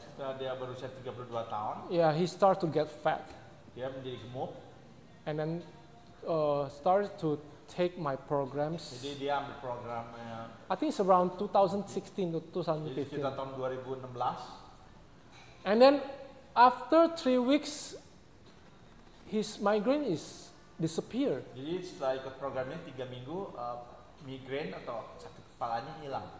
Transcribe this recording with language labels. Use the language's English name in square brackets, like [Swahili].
[Indonesian] Setelah dia berusia 32 tahun. [English] Yeah, he start to get fat. [Indonesian] Dia menjadi gemuk. [English] And then started to take my programs. [Indonesian] Jadi dia ambil programnya. [English] I think it's around 2016 to 2015. [Indonesian] Jadi kita tahun 2016. [English] And then after 3 weeks, his migraine is disappear. [Indonesian] Jadi setelah ikut programnya 3 minggu, migraine atau sakit kepalanya hilang.